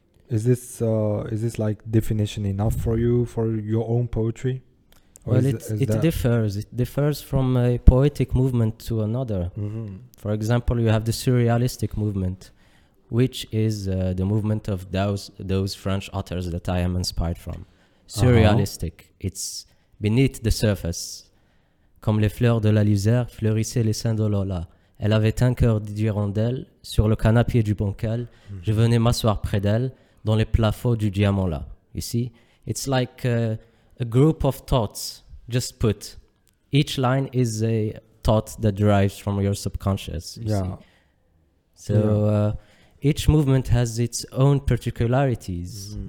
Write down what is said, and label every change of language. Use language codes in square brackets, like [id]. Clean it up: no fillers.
[en] Is this like definition enough for you for your own poetry? It differs from a poetic movement to another. Mm-hmm. For example, you have the surrealistic movement, which is the movement of those French authors that I am inspired from. Surrealistic. Uh-huh. It's beneath the surface. [fr] Comme les fleurs de la luzerne fleurissaient les seins de Lola. Elle avait un cœur d'hirondelle sur le canapé du bancal. Mm-hmm. Je venais m'asseoir près d'elle. Dans les plafonds du diamant là, [en] you see? It's like a group of thoughts, just put. Each line is a thought that derives from your subconscious, you see? So each movement has its own particularities. Mm-hmm.